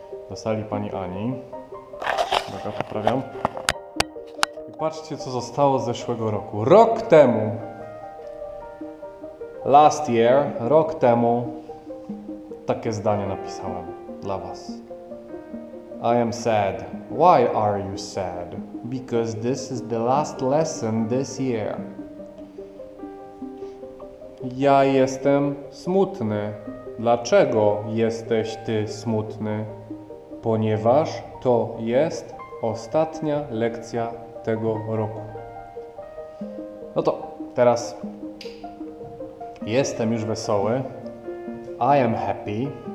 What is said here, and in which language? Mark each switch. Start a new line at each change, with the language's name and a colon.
Polish: Do sali pani Ani. Uwaga, poprawiam. Patrzcie, co zostało z zeszłego roku. Rok temu.
English: Last year.
Polish: Rok temu. Takie zdanie napisałem dla Was.
English: I am sad. Why are you sad? Because this is the last lesson this year.
Polish: Ja jestem smutny. Dlaczego jesteś ty smutny? Ponieważ to jest ostatnia lekcja tego roku. No to teraz jestem już wesoły.
English: I am happy.